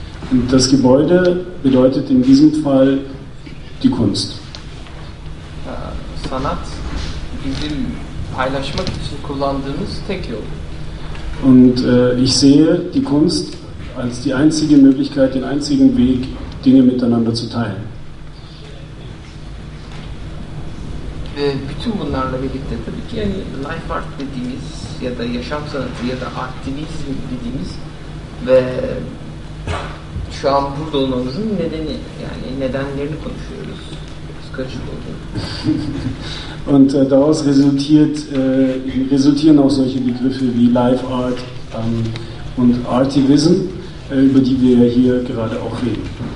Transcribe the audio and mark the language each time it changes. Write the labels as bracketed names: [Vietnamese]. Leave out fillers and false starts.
[German] Und das Gebäude bedeutet in diesem Fall die Kunst. [Turkish] Sanat bizim paylaşmak için kullandığımız tek yol. [German] Und ich sehe die Kunst als die einzige Möglichkeit, den einzigen Weg, Dinge miteinander zu teilen. [Turkish] Ve bütün bunlarla birlikte tabii ki yani life art dediğimiz ya da yaşam sanatı ya da aktivizm dediğimiz ve şu an burada olmamızın nedeni yani nedenlerini konuşuyoruz. Kaçık oldu. [German] Und daraus resultiert, resultieren auch solche Begriffe wie Life Art und Artivism, über die wir hier gerade auch reden.